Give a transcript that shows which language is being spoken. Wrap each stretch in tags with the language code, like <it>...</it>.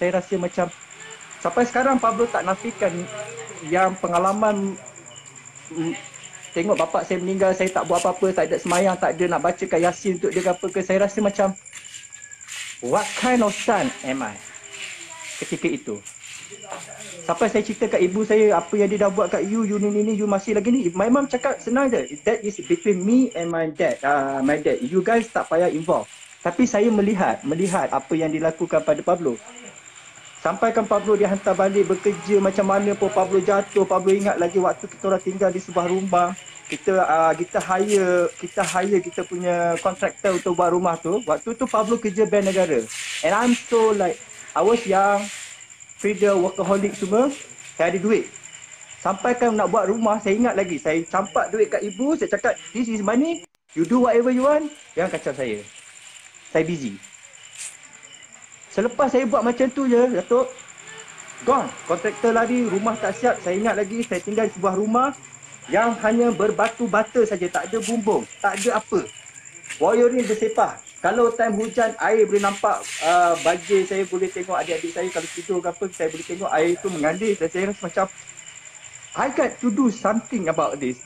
<ms>Saya rasa macam, sampai sekarang Pablo tak nafikan yang pengalaman tengok bapak saya meninggal, saya tak buat apa-apa, tak ada semayang, tak ada nak bacakan Yasin untuk dia ke apa ke. Saya rasa macam,</ms> <en>what kind of son am I</en> <ms>ketika itu? Sampai saya cerita kat ibu saya, apa yang dia dah buat kat you, you ni, you masih lagi ni.</ms> <en>My mom</en> <ms>cakap senang je,</ms> <en>that is between me and my dad. You guys</en> <ms>tak payah</ms> <en>involve.</en> <ms>Tapi saya melihat apa yang dilakukan pada Pablo. Sampaikan Pablo dihantar balik bekerja macam mana pun, Pablo jatuh. Pablo ingat lagi waktu kita orang tinggal di sebuah rumah. Kita hire kita punya kontraktor untuk buat rumah tu. Waktu tu Pablo kerja bank negara.</ms> <en>And I'm so like, I was young, freedom, workaholic</en> <ms>semua, saya ada duit. Sampaikan nak buat rumah, saya ingat lagi, saya campak duit kat ibu, saya cakap,</ms> <en>this is money, you do whatever you want,</en> <ms>jangan kacau saya. Saya busy. Selepas saya buat macam tu je, Datuk, gone. Kontraktor lari, rumah tak siap, saya ingat lagi, saya tinggal di sebuah rumah yang hanya berbatu bata saja, tak ada bumbung, tak ada apa. Wiring bersepah. Kalau time hujan, air boleh nampak banjir, saya boleh tengok adik-adik saya kalau tidur ke apa, saya boleh tengok air tu mengandir. Dan saya rasa macam,</ms> <en>I got to do something about this.</en>